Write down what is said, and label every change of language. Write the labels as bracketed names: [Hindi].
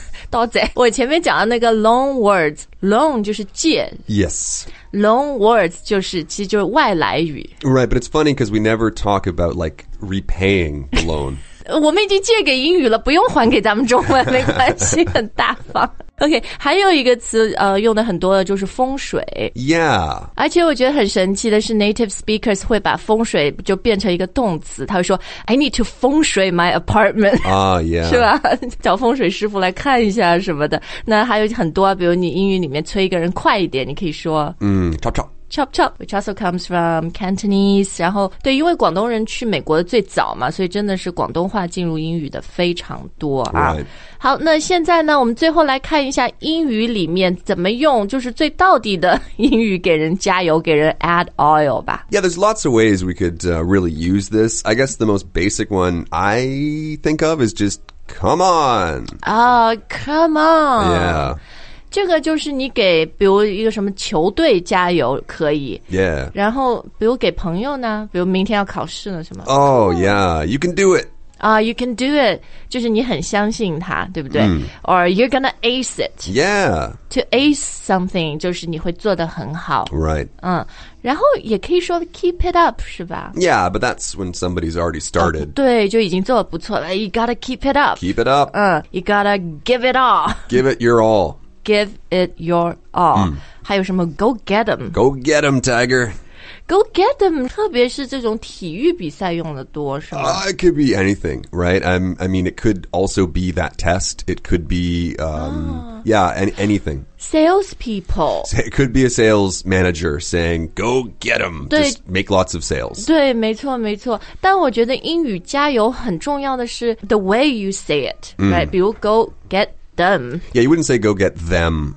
[Chinese] 多谢我前面讲的那个 [English] long words, [Chinese] long 就是介 [English] Yes. Long words [Chinese] 就是其实就是外来语 [English] Right, but it's funny because we never talk about like repaying the loan. [Chinese] 我们已经借给英语了，不用还给咱们中文，没关系，很大方。 OK, 还有一个词用的很多的就是风水。 [English] Yeah. [Chinese] 而且我觉得很神奇的是 [English] native speakers [Chinese] 会把风水就变成一个动词。他会说 [English] I need to 风水 my apartment. 啊、yeah. [Chinese] 是吧，找风水师傅来看一下什么的。那还有很多，比如你英语里面催一个人快一点，你可以说 [English] chop chop. Chop chop, which also comes from Cantonese. [Chinese] 然后对，因为广东人去美国的最早嘛，所以真的是广东话进入英语的非常多啊。 [English] Right. [Chinese] 好，那现在呢，我们最后来看一下英语里面怎么用，就是最道地的英语给人加油，给人 add oil 吧。 [English] Yeah, there's lots of ways we could really use this. I guess the most basic one I think of is just come on. Oh, come on. Yeah. [Chinese] 这个就是你给比如一个什么球队加油可以。 [English] Yeah. [Chinese] 然后比如给朋友呢，比如明天要考试呢什么。 [English] Oh, yeah, you can do it. You can do it. [Chinese] 就是你很相信他，对不对？ [English] Or you're gonna ace it. Yeah. To ace something, [Chinese] 就是你会做得很好。 [English] Right. [Chinese] 然后也可以说 [English] keep it up, [Chinese] 是吧？ [English] Yeah, but that's when somebody's already started. [Chinese] 对，就已经做得不错了。 [English] You gotta keep it up. Keep it up. You gotta give it all. Give it your all. Give it your all. [Chinese] 还有什么 [English] go get them. Go get them, Tiger. Go get them, [Chinese] 特别是这种体育比赛用的多是吗、 [English] It could be anything, right? I mean, it could also be that test. It could be, anything. Salespeople. It could be a sales manager saying, go get them, just make lots of sales. [Chinese] 对，没错，没错。但我觉得英语加油很重要的是 [English] the way you say it, right? [Chinese] 比如 [English] go get them. Yeah, you wouldn't say go get them.